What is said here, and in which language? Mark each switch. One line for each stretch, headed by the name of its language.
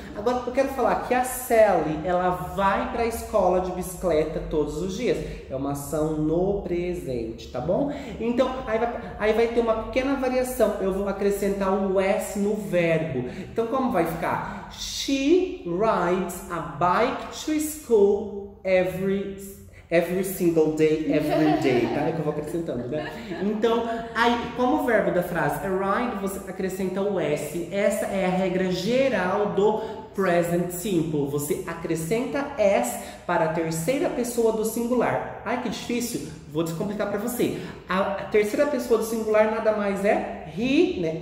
Portuguese: Agora, eu quero falar que a Sally, ela vai para a escola de bicicleta todos os dias. É uma ação no presente, tá bom? Então, aí vai ter uma pequena variação. Eu vou acrescentar o S no verbo. Então, como vai ficar?
English: She rides a bike to school every single day, every day, tá?
Portuguese: É que eu vou acrescentando, né? Então, aí, como o verbo da frase é ride, você acrescenta o S. Essa é a regra geral do present simple. Você acrescenta S para a terceira pessoa do singular. Ai, que difícil! Vou descomplicar para você. A terceira pessoa do singular nada mais é he, né?